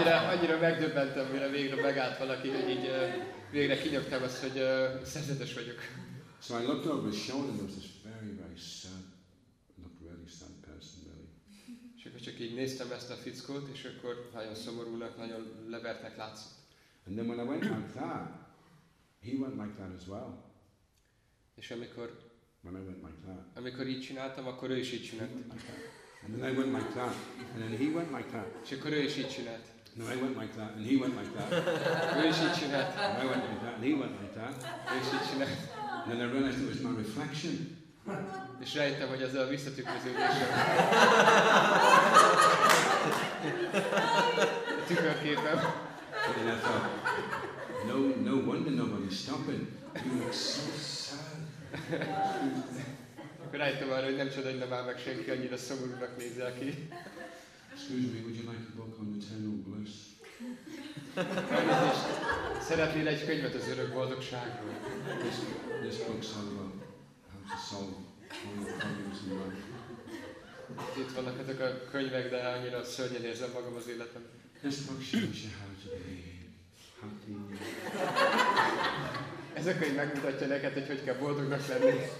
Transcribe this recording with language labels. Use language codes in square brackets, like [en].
[hu] annyira megdöbbentem, mire végre megállt valaki, hogy így végre kinyögtem azt, hogy szerzetes vagyok. [en] So I looked over his shoulder and there was this very, very sad, not really sad person, really. [hu] És akkor csak így néztem ezt a fickót, és akkor nagyon szomorúnak, nagyon levertnek látszott. [en] And then when I went like that, he went like that as well. [hu] És amikor... [en] When I went like that. [hu] Amikor így csináltam, akkor ő is így csinált. [en] And then I went like that, and then he went like that. [hu] És akkor ő is így csinált. [en] No, I went like that, and he went like that. [hu] Ő is így csinált. [en] I went like that, and he went like that. [hu] Ő is így csinált. [en] And then I realized it was my reflection. [hu] És rájöttem, hogy az a visszatükröződés. Tükörképem. [en] And then I thought, no wonder nobody's stopping. You look so sad. [hu] Akkor rájöttem arra, hogy nem csoda, hogy nem áll meg senki, annyira szomorúnak nézel ki. [en] Excuse me, would you like a book on eternal bliss? [hu] Elnézést, szeretnél egy könyvet az örök boldogságról? [en] This book says how to solve all your problems in life. [hu] Itt vannak ezek a könyvek, de annyira szörnyen érzem magam az életem. [en] This book shows you how to be happy. [hu] Ez a könyv megmutatja neked, hogy hogy kell boldognak lenni.